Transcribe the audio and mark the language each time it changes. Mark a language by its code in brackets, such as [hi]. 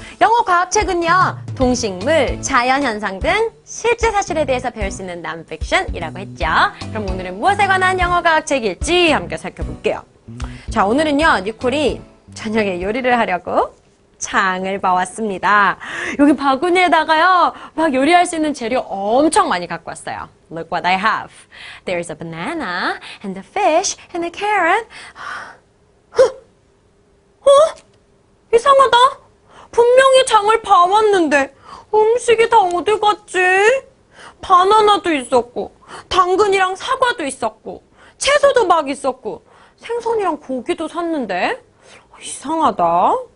[ko] 영어 과학책은요, 동식물, 자연현상 등 실제 사실에 대해서 배울 수 있는 논픽션이라고 했죠. 그럼 오늘은 무엇에 관한 영어 과학책일지 함께 살펴볼게요. 자, 오늘은요, 니콜이 저녁에 요리를 하려고 장을 봐왔습니다. 여기 바구니에다가요, 막 요리할 수 있는 재료 엄청 많이 갖고 왔어요. [en] Look what I have. There's a banana, and a fish, and a carrot. [ko] 어? 이상하다. 분명히 장을 봐왔는데 음식이 다 어디 갔지? 바나나도 있었고, 당근이랑 사과도 있었고, 채소도 막 있었고, 생선이랑 고기도 샀는데 이상하다.